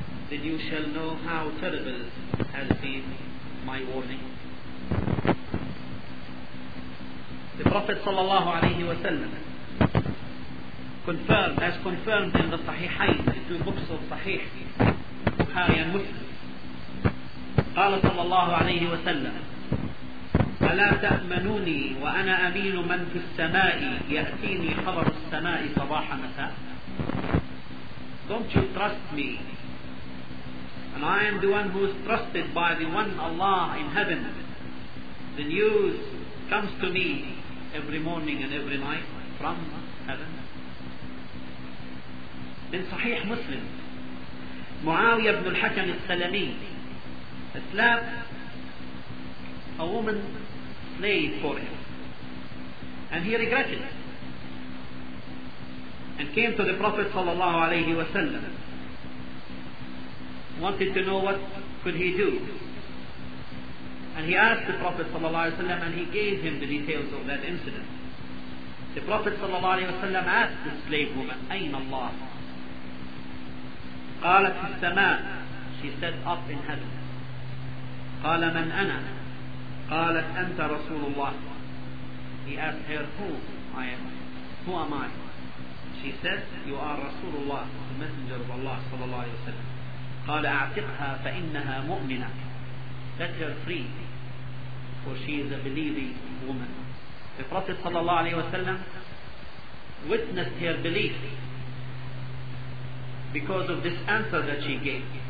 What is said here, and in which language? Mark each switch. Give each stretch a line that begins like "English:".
English: then you shall know how terrible has been my warning. The Prophet sallallahu alayhi wa sallam confirmed, as confirmed in the Sahihain, the two books of Sahih, Bukhari and Muslim.
Arabic: قال صلى الله عليه وسلم ألا تأمنوني وأنا أمين من في السماء يأتيني خبر السماء صباح مساء.
English: Don't you trust me? And I am the one who is trusted by the one Allah in heaven. The news comes to me every morning and every night from heaven. In Sahih Muslim, Muawiyah ibn al-Hakam al-Salami, a slave, a woman slave for him. And he regretted it. And came to the Prophet sallallahu alayhi wa sallam, wanted to know what could he do. And he asked the Prophet sallallahu alayhi wa sallam, and he gave him the details of that incident. The Prophet sallallahu alayhi wa sallam asked the slave woman,
Arabic: أين الله؟ قالت في السماء.
English: She said, up in heaven.
Arabic: قال من أنا؟ قالت أنت رسول الله.
English: He asked her, who I am? Who am I? She said, you are Rasulullah, the Messenger of Allah sallallahu alayhi wa sallam.
Arabic: قال أعتقها فإنها مؤمنة.
English: Let her free, for she is a believing woman. The Prophet sallallahu alayhi wa sallam witnessed her belief because of this answer that she gave.